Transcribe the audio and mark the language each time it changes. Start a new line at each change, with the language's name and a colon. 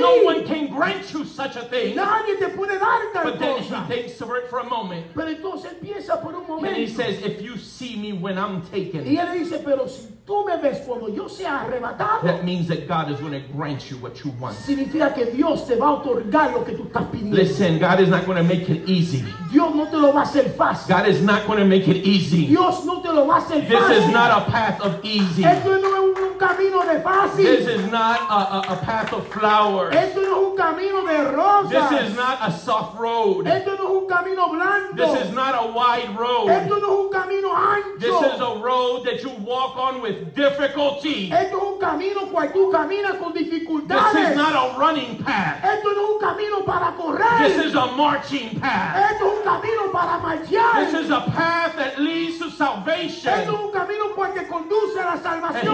English: No one can grant you such a thing.
Spanish: Nadie te puede dar tal cosa.
English: But then he thinks for it for a moment.
Spanish: Pero entonces empieza por un momento.
English: And he says, if you see me when I'm taken.
Spanish: Y él dice, pero si tú me ves cuando yo sea arrebatado.
English: That means that God is going to grant you what you want.
Spanish: Significa que Dios te va a otorgar lo que tú estás pidiendo.
English: Listen, God is not going to make it easy.
Spanish: Dios no te lo va a hacer fácil.
English: God is not going to make it easy.
Spanish: Dios no te lo va a hacer
English: this
Spanish: fácil.
English: Is not a path of easy.
Spanish: Esto no es un camino de fácil.
English: This is not a path of flowers.
Spanish: Esto no es un camino de rosas.
English: This is not a soft road.
Spanish: Esto no es un camino blando.
English: This is not a wide road.
Spanish: Esto no es un camino ancho.
English: This is a road that you walk on with difficulty.
Spanish: Esto es un camino cual tú caminas con dificultades.
English: This is not a running path.
Spanish: Esto no es un camino para correr.
English: This is a marching path.
Spanish: Esto es un camino para marchar.
English: This is a path that leads to salvation.
Spanish: Esto es un camino cual te conduce a la salvación.